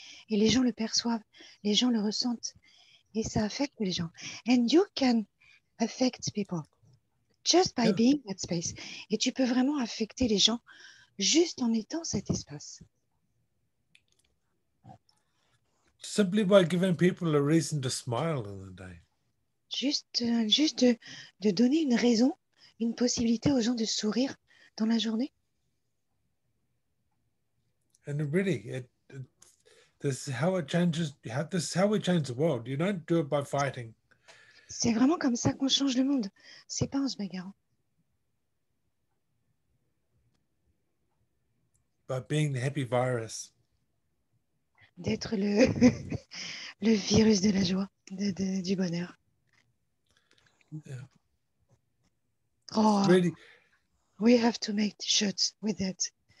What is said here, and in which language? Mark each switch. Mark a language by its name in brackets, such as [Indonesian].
[French] Et les gens le perçoivent, les gens le ressentent, et ça affecte les gens. [English] And you can affect people. Just by being that space. [French] Et tu peux vraiment affecter les gens juste en étant cet espace. [English] Simply by giving people a reason to smile in the day. [French] Juste de donner une raison, une possibilité aux gens de sourire dans la journée. [English] And really, this is how we change the world. You don't do it by fighting. [French] C'est vraiment comme ça qu'on change le monde. C'est pas en se bagarrant. [English] By being the happy virus. [French] D'être le le virus de la joie, du bonheur. [English] Yeah. Oh, really... We have to make t-shirts with that.